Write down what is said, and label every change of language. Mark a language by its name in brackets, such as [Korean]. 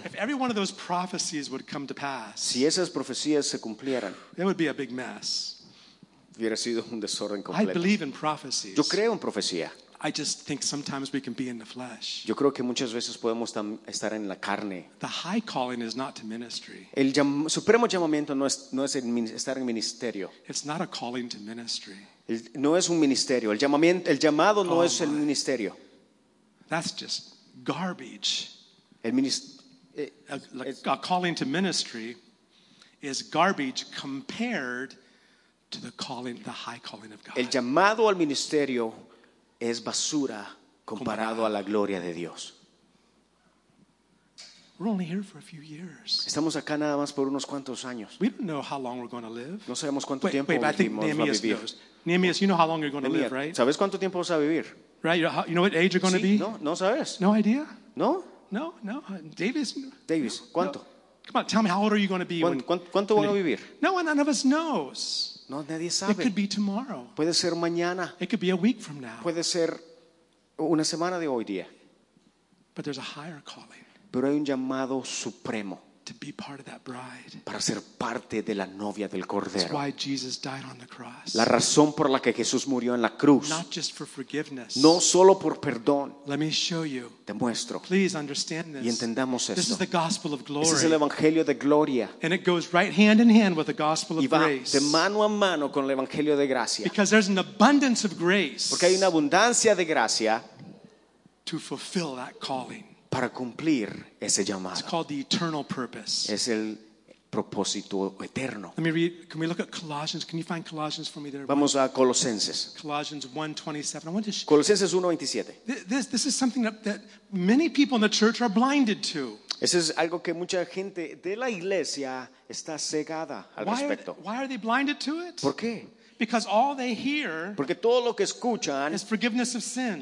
[English] If every one of those prophecies would come to pass, [Spanish] si esas profecías se cumplieran, [English] it would be a big mess. [Spanish] Hubiera sido un desorden completo. [English] I believe in prophecies. [Spanish] Yo creo en profecía. [English] I just think sometimes we can be in the flesh. [Spanish] Yo creo que muchas veces podemos estar en la carne. [English] The high calling is not to ministry. [Spanish] El supremo llamamiento no es estar en ministerio. [English] It's not a calling to ministry. [Spanish] No es un ministerio. El llamado no es el ministerio. [English] That's just garbage. A calling to ministry is garbage compared to the calling, the high calling of God. [Spanish] El llamado al ministerio es basura comparado a la gloria de Dios. [English] We're only here for a few years. [Spanish] Estamos acá nada más por unos cuantos años. [English] We don't know how long we're going to live. [Spanish] No sabemos cuánto tiempo vivimos. [English] Nehemias, you know how long you're going to live, right? [Spanish] ¿Sabes cuánto tiempo vas a vivir? [English] Right, you know what age you're going to be? [Spanish] No, no sabes. [English] No idea? [Spanish] No? No, no. Davis, no. ¿Cuánto? No. [English] Come on, tell me, how old are you going to be? [Spanish] ¿Cuánto voy a vivir? [English] No, none of us knows. [Spanish] No, nadie sabe. [English] It could be tomorrow. [Spanish] Puede ser mañana. [English] It could be a week from now. [Spanish] Puede ser una semana de hoy día. [English] But there's a higher calling. [Spanish] Pero hay un llamado supremo. [English] To be part of that bride. [Spanish] Para ser parte de la novia del Cordero. [English] That's why Jesus died on the cross. [Spanish] La razón por la que Jesús murió en la cruz. [English] Not just for forgiveness. [Spanish] No solo por perdón. [English] Let me show you. [Spanish] Te muestro. [English] Please understand this. [Spanish] Y entendamos esto. [English] This is the gospel of glory. [Spanish] Este es el evangelio de gloria. [English] And it goes right hand in hand with the gospel of grace. [Spanish] Y va de mano a mano con el evangelio de gracia. [English] Because there's an abundance of grace. [Spanish] Porque hay una abundancia de gracia. [English] To fulfill that calling. [Spanish] Para cumplir ese llamado. [English] It's called the eternal purpose. [Spanish] Es el propósito eterno. [English] Let me read. Can we look at Colossians? Can you find Colossians for me there? [Spanish] Vamos a Colosenses. [English] Colossians 1:27. I want to. [Spanish] Colosenses 1:27. [English] This is something that many people in the church are blinded to. [Spanish] Eso es algo que mucha gente de la iglesia está cegada al respecto. [English] Why are they blinded to it? [Spanish] ¿Por qué? [English] Because all they hear is forgiveness of sins.